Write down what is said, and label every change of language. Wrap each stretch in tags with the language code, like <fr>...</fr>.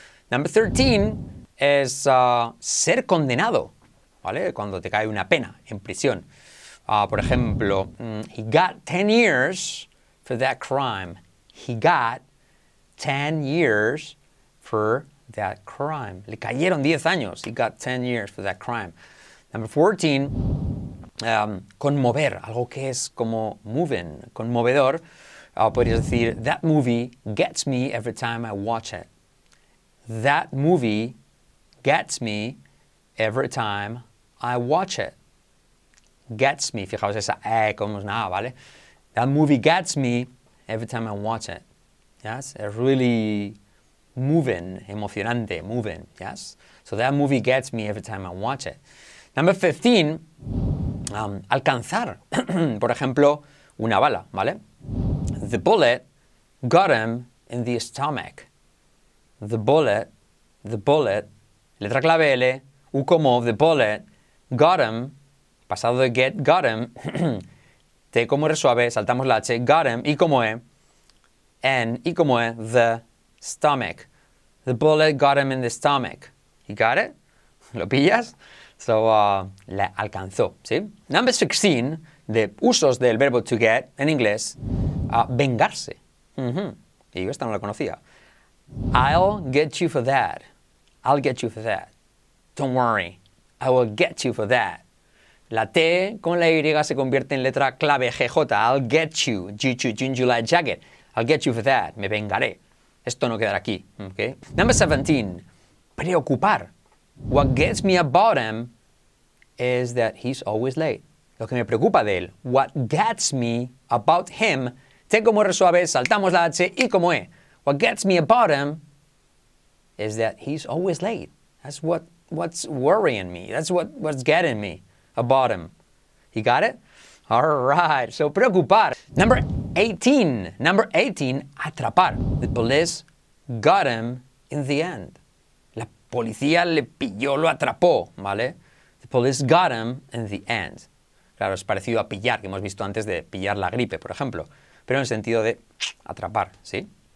<en>Number 13</en> <es>es ser condenado, ¿vale? Cuando te cae una pena en prisión. Por ejemplo,</es> <en>he got 10 years for that crime. He got 10 years for that crime.</en> <es>Le cayeron 10 años.</es> <en>He got 10 years for that crime. Number 14,</en> <es>conmover. Algo que es como moving, conmovedor.</es> <en>Podrías decir, that movie gets me every time I watch it. That movie gets me every time I watch it.</en> <es>Gets me, fijaos esa, como es nada, ¿vale?</es> <en>That movie gets me every time I watch it. Yes, it's really moving,</en> <es>emocionante,</es> <en>moving, yes? So that movie gets me every time I watch it. Number 15,</en> <es>alcanzar, por ejemplo, una bala, ¿vale?</es> <en>The bullet got him in the stomach. The bullet,</en> <es>letra clave L, U como,</es> <en>the bullet got him.</en> <es>Pasado de get, got him, T como R suave, saltamos la H, got him, I como E, N, I como E, the stomach.</es> <en>The bullet got him in the stomach. You got it?</en> <es>¿Lo pillas?</es> <en>So,</en> <es>le alcanzó, ¿sí?</es> <en>Number 16,</en> <es>de usos del verbo to get, en inglés, vengarse. Y yo esta no la conocía.</es> <en>I'll get you for that. I'll get you for that. Don't worry. I will get you for that.</en> <es>La T con la Y se convierte en letra clave GJ.</es> <en>I'll get you. July jacket. I'll get you for that.</en> <es>Me vengaré. Esto no quedará aquí.</es> <en>Okay? Number 17. Preocupar. What gets me about him is that he's always late.</en> <es>Lo que me preocupa de él.</es> <en>What gets me about him.</en> <es>T como R suave, saltamos la H y como E.</es> <en>What gets me about him is that he's always late. That's what's worrying me. That's what's getting me. A bottom. You got it? All right.</en> <es>So, preocupar.</es> <en>Number 18,</en> <es>atrapar.</es> <en>The police got him in the end.</en> <es>La policía le pilló, lo atrapó, ¿vale?</es> <en>The police got him in the end.</en> <es>Claro, es parecido a pillar, que hemos visto antes de pillar la gripe, por ejemplo. pero en el sentido de atrapar, ¿sí?</es>